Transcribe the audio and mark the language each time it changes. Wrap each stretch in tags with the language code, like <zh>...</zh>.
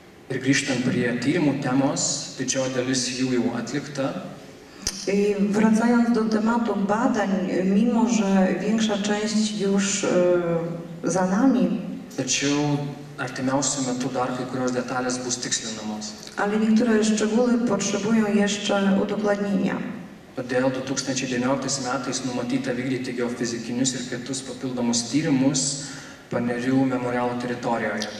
<lt>Ir grįžtant prie tyrimų temos, didžioji dalis jų jau atlikta.</lt> <pl>Wracając do tematu badań, mimo że większa część już za nami.</pl> <lt>Tačiau artimiausiu metu dar kai kurios detalės bus tikslinamos.</lt> <pl>Ale niektóre szczegóły potrzebują jeszcze udokladnienia.</pl> <lt>Todėl 2019 metais numatyta vykdyti geofizikinius ir kitus papildomus tyrimus Panerių memorialo teritorijoje.</lt>